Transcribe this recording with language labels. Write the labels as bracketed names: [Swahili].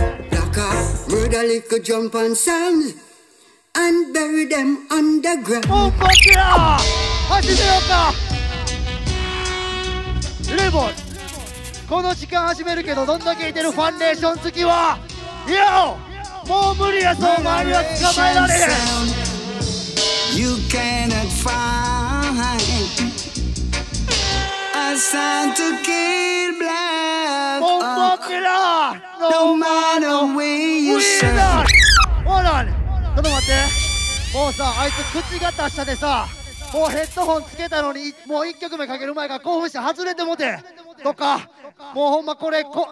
[English] Black Ops, murder like a jump on sand, and bury them underground. [Japanese] おまけだ始めようかレボンこの時間始めるけどどんだけいてるファンデーション好きはいやもう無理やぞお前には捕まえられへん [English] You cannot find a sound to kill black [Japanese] もうボケだ [English] No matter where you serve [Japanese] ほらちょっと待ってもうさあいつ口が達者でさもうヘッドホンつけたのにもう1曲目かける前から興奮して外れてもてとかもうほんまこれ